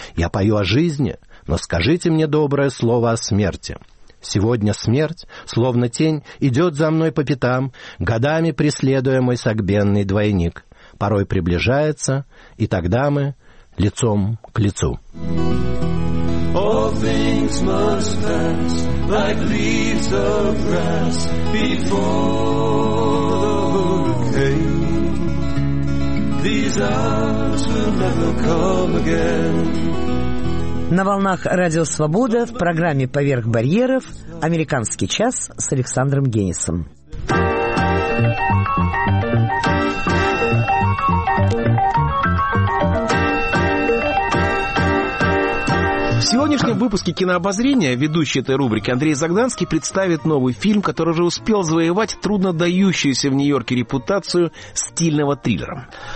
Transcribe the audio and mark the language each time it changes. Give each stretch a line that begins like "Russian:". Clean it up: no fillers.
Russian: Я пою о жизни, но скажите мне доброе слово о смерти. Сегодня смерть, словно тень, идет за мной по пятам, годами преследуя мой согбенный двойник. Порой приближается, и тогда мы лицом к лицу».
English: All things must pass, like leaves of grass, before the hurricane. These hours will never come again.
Russian: На волнах Радио Свобода в программе «Поверх барьеров» «Американский час» с Александром Генисом. В сегодняшнем выпуске «Кинообозрения» ведущий этой рубрики Андрей Загданский представит новый фильм, который уже успел завоевать труднодающуюся в Нью-Йорке репутацию стильного триллера.